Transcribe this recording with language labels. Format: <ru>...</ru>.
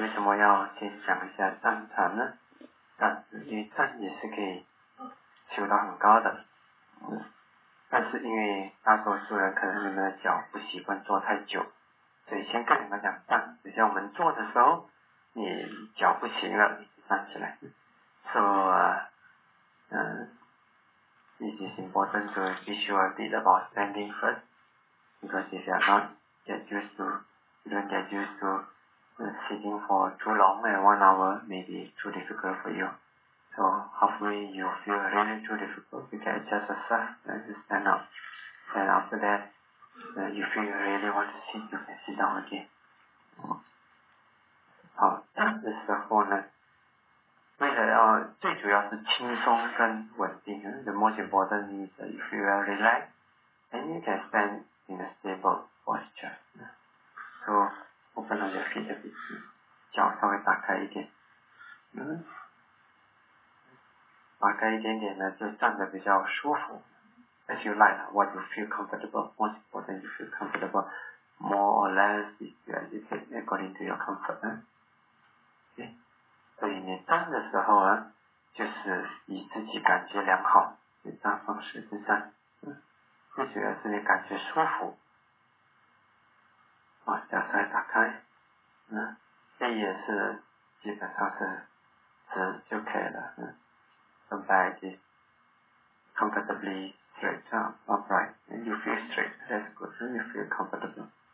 <zh>为什么要先讲一下站禅呢？站，因为站也是可以修到很高的。但是因为大多数人可能你们的脚不习惯坐太久，所以先跟你们讲站。就像我们坐的时候，你脚不行了，你就站起来。</zh> <en>So, it is important to be sure a bit about standing first, because if you're not get used to, you don't get used to sitting for too long, and 1 hour may be too difficult for you. So, hopefully you feel really too difficult, you can adjust yourself and just stand up. And after that, If you really want to sing, you can sit down again.</en> <zh>好，这时候呢，为了要最主要是轻松跟稳定。</zh> <en>The most important is if you are relaxed, and you can stand in a stable posture. So open up your feet a bit,</en> <zh>脚稍微打开一点。打开一点点呢，就站得比较舒服。</zh> <en>As you like, what you feel comfortable, most important you feel comfortable, more or less, you can according to your comfort. Okay.</en> <zh>所以你站的时候啊，就是以自己感觉良好，你站方式就站，最主要是你感觉舒服。把脚踝打开，这也是基本上是直就可以了，正在的</zh> <en>comfortably straight up, upright, and you feel straight, that's good, and you feel comfortable.</en>